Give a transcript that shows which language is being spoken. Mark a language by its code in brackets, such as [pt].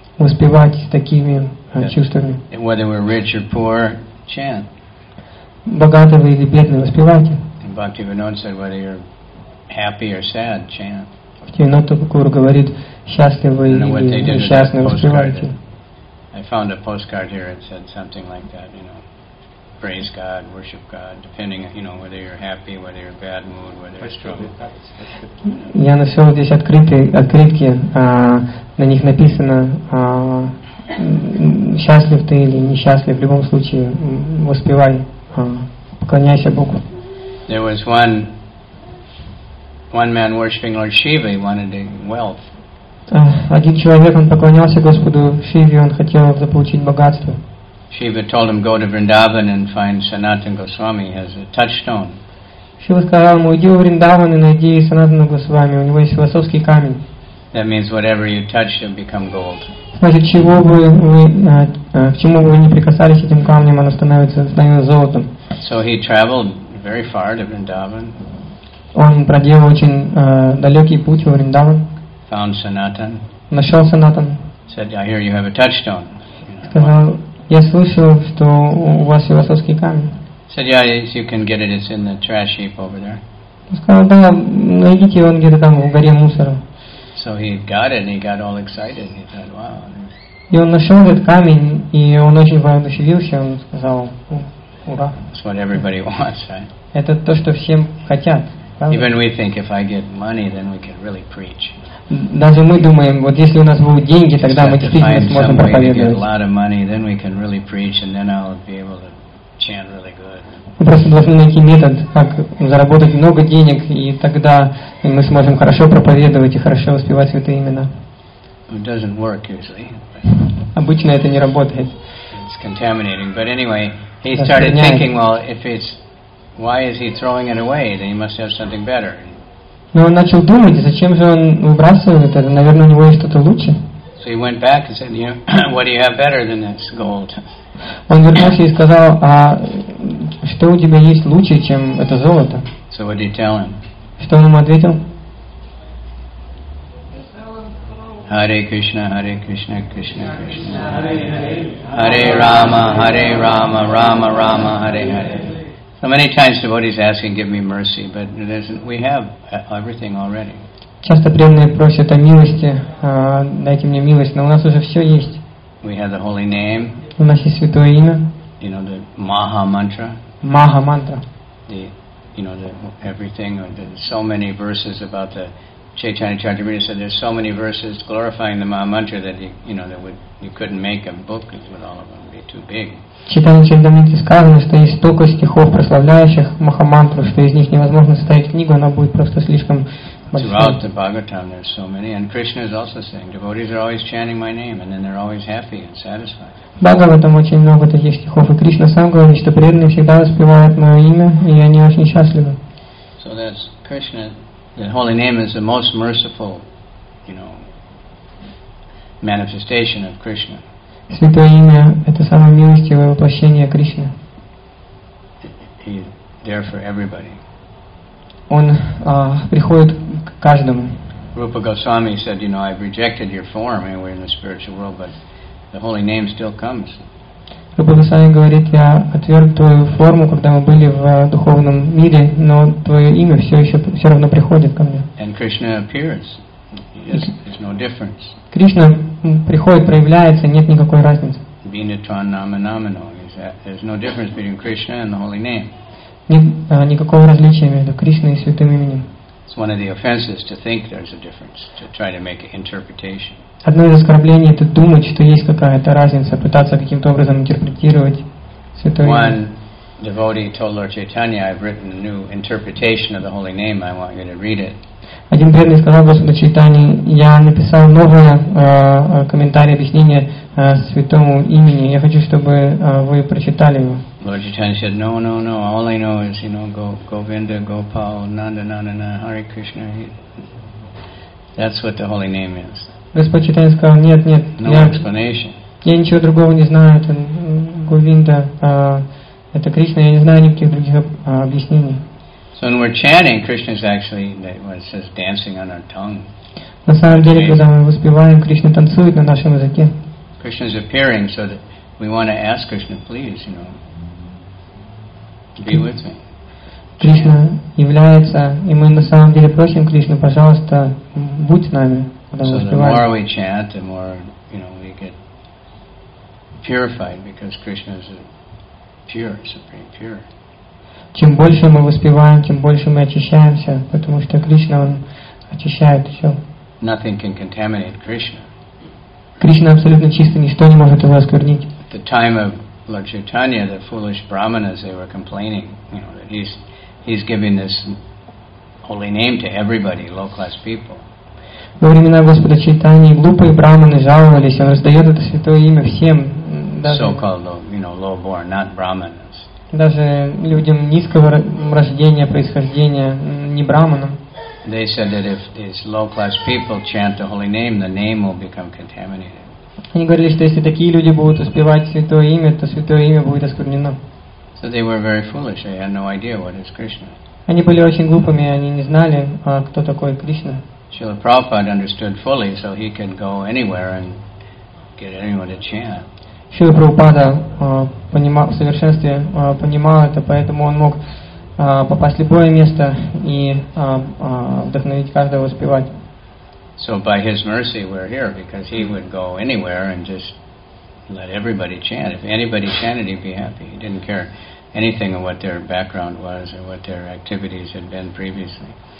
[ru] Воспевать с такими чувствами. [en] Whether we're rich or poor, chant. [ru] Богатого или бедного, воспевайте. [en] And Bhaktivinoda said, whether you're happy or sad, chant. [ru] Бхактивинода Такур говорит, счастливы или несчастны, воспевайте. [en] I found a postcard here. It said something like that, you know, praise God, worship God, depending, you know, whether you're happy, whether you're bad mood, whether you're strong. [ru] Я нашел здесь открытки. На них написано, счастлив ты или несчастлив. В любом случае, воспевай, поклоняйся Богу. [en] There was one man worshiping Lord Shiva. He wanted wealth. [ru] Один человек, он поклонялся Господу Шиве, он хотел заполучить богатство. [en] Шива told him, go to Vrindavan and find Sanatana Goswami, he has a touchstone. [ru] Шива сказал ему, иди в Вриндаван и найди Санатана Госвами, у него есть философский камень. [en] That means whatever you touch will become gold. [ru] Значит, чего бы вы, к чему бы вы ни прикасались этим камнем, оно становится золотом. [en] So he traveled very far to Vrindavan. [ru] Он проделал очень далекий путь в Вриндаван. [en] Found Sanatan. [ru] Нашел Санатан. [en] Said, I hear you have a touchstone. [ru] Сказал, я слышал, что у вас философский камень. [en] Said, yeah, you can get it. It's in the trash heap over there. [ru] Сказал, да, найдите его где-то там в горе мусора. [en] So he got it and he got all excited. He thought, wow. [ru] И он нашел этот камень и он очень воодушевился. Он сказал, ура. [en] It's what everybody wants, right? [ru] Это то, что всем хотят. [en] Even we think if I get money, then we can really preach. [ru] Даже мы думаем, вот если у нас будут деньги, тогда мы действительно сможем проповедовать. [en] Money, then we can really preach, and then I'll be able to chant really good. [ru] Мы просто должны найти метод, как заработать много денег, и тогда мы сможем хорошо проповедовать и хорошо воспевать святые имена. [en] It doesn't work usually. [ru] Обычно это не работает. [en] It's contaminating, but anyway, he started thinking, well, if it's why is he throwing it away? Then he must have something better. [ru] Но он начал думать, зачем же он выбрасывает это? Наверное, у него есть что-то лучше. [en] So he went back and said, you know, what do you have better than this gold? [ru] Он вернулся и сказал, а что у тебя есть лучше, чем это золото? [en] So what did you tell him? [ru] Что он ему ответил? [sa] Hare Krishna, Hare Krishna, Krishna Krishna, Hare Rama, Hare Rama, Rama Rama, Hare Hare. [en] So many times devotees asking, give me mercy, but we have everything already. [ru] Часто преданные просят о милости, дайте мне милость, но у нас уже все есть. [en] We have the holy name. [ru] У нас есть святое имя. [en] You know, the Maha Mantra. [ru] Maha Mantra. [en] The, you know, the everything, there's so many verses about the Chaitanya Charitamrita said there's so many verses glorifying the Maha Mantra that you couldn't make a book with all of them, it would be too big. [ru] Читание Чиндамити сказано, что есть столько стихов, прославляющих Махамантру, что из них невозможно составить книгу, она будет просто слишком [en] throughout the Bhagavatam, there's so many. And Krishna is also saying, devotees are always chanting my name, and then they're always happy and satisfied. [ru] Bhagavatam очень много таких стихов, и Кришна сам говорит, что преданные всегда воспевают мое имя, и они очень счастливы. [en] So that's Krishna. The holy name is the most merciful, you know, manifestation of Krishna. [ru] Святое имя – это самое милостивое воплощение Кришны. [en] He is there for everybody. [ru] Он приходит к каждому. [en] Rupa Goswami said, you know, I've rejected your form anywhere in the spiritual world, but the holy name still comes. [ru] Rupa Goswami говорит, я отверг твою форму, когда мы были в духовном мире, но твое имя все равно приходит ко мне. [en] And Krishna appears. There's no difference. [ru] Кришна приходит, проявляется, нет никакой разницы. [sa] Vinatvan nama namano. [en] There's no difference between Krishna and the holy name. [ru] Нет никакого различия между Кришной и Святым именем. [en] It's one of the offenses to think there's a difference, to try to make an interpretation. [ru] Одно из оскорблений – это думать, что есть какая-то разница, пытаться каким-то образом интерпретировать Святое имя. [en] One devotee told Lord Chaitanya, I've written a new interpretation of the holy name, I want you to read it. [ru] Один преданный сказал Господу Чайтани, я написал новое комментарий, объяснение святому имени. Я хочу, чтобы вы прочитали его. [en] Lord Chaitanya said, no, no, no, all I know is, you know, Govinda, Gopal, Nanda, Nanda, Nanda, Hare Krishna. That's what the holy name is. [ru] Господь Чайтани сказал, нет, нет. [en] No explanation. [ru] Я ничего другого не знаю, это Говинда, это Кришна, я не знаю никаких других объяснений. [en] So when we're chanting, Krishna is actually, when it says, dancing on our tongue. [ru] На самом деле, когда мы воспеваем, Кришна танцует на нашем языке. [en] Krishna is appearing, so that we want to ask Krishna, please, you know, be with me. [ru] Кришна является, и мы на самом деле просим Кришну, пожалуйста, будь с нами, когда мы воспеваем. [en] So the more we chant, the more, you know, we get purified, because Krishna is a pure, supreme pure. [ru] Чем больше мы воспеваем, тем больше мы очищаемся, потому что Кришна, Он очищает все. [en] Nothing can contaminate Krishna. [ru] Кришна абсолютно чистый, ничто не может его осквернить. [en] At the time of Lord Chaitanya, the foolish brahmanas, they were complaining, you know, that he's giving this holy name to everybody, low-class people. [ru] Во времена Господа Чайтани глупые брахманы жаловались, Он раздает это святое имя всем. [en] So-called, you know, low-born, not brahman. [ru] Даже людям низкого рождения, происхождения, не брахманам. [en] They said that if these low-class people chant the holy name, the name will become contaminated. [ru] Они говорили, что если такие люди будут воспевать святое имя, то святое имя будет осквернено. [en] So they were very foolish. They had no idea what is Krishna. [ru] Они были очень глупыми, они не знали, кто такой Кришна. [en] Srila Prabhupada understood fully, so he could go anywhere and get anyone to chant. [ru] Шрила Прабхупада в совершенстве понимал это, поэтому он мог попасть в любое место и вдохновить каждого воспевать. [en] So by his mercy we're here, because he would go anywhere and just let everybody chant. If anybody chanted, he'd be happy. He didn't care anything of what their background was or what their activities had been previously.